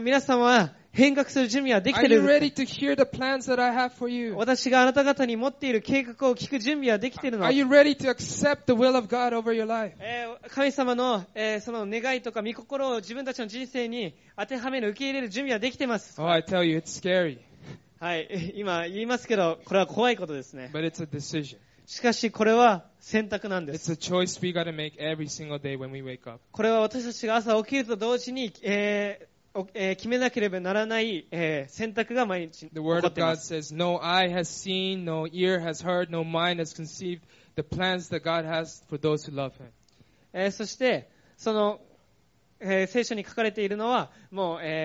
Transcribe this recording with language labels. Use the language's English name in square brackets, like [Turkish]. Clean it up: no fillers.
[Japanese] 皆さんは変革する準備はできてる。 [English] Are you ready to hear the plans that I have for you? [Japanese] 私があなた方に持っている計画を聞く準備はできてるの。 [English] Are you ready to accept the will of God over your life? [Japanese] 神様の、その願いとか御心を自分たちの人生に当てはめる、受け入れる準備はできてます。 [English] Oh, I tell you, it's scary. [Japanese] はい、今言いますけど、これは怖いことですね。 [English] But it's a decision. [Japanese] しかしこれは選択なんです。 [English] It's a choice we gotta make every single day when we wake up. [Japanese] これは私たちが朝起きると同時に、決めなければならない、選択が毎日起こっています。 [English] The word of God says, No eye has seen, no ear has heard, no mind has conceived the plans that God has for those who love Him. [Japanese] そしてその、聖書に書かれているのはもう、